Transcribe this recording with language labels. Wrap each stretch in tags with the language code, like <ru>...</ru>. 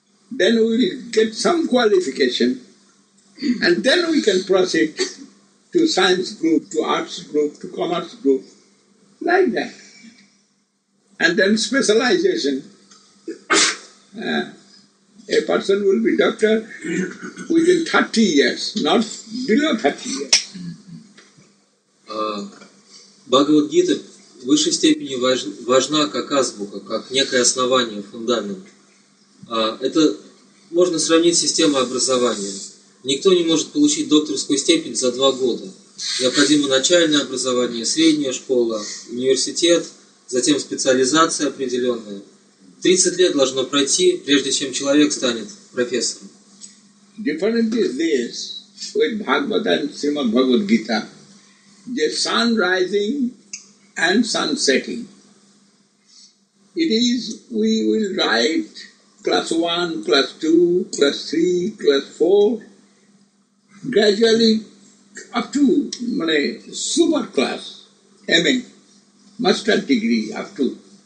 <en>Then we will get some qualification and then we can proceed to science group, to arts group, to commerce group, like that. And then specialization. A person will be doctor within 30 years, not below 30 years.</en> <ru>Бхагавад-гита в высшей степени важна как азбука, как некое основание, фундамент. Это можно сравнить с системой образования. Никто не может получить докторскую степень за 2 года. Необходимо начальное образование, средняя школа, университет, затем специализация определенная. 30 лет должно пройти, прежде чем человек станет профессором.</ru> <en>Different is this with Bhagavad and Srimad Bhagavad Gita. The sun rising and sun setting. It is, we will write class 1, class 2, class 3, class 4, gradually up to Malay, super class, MA, master degree up to.</en>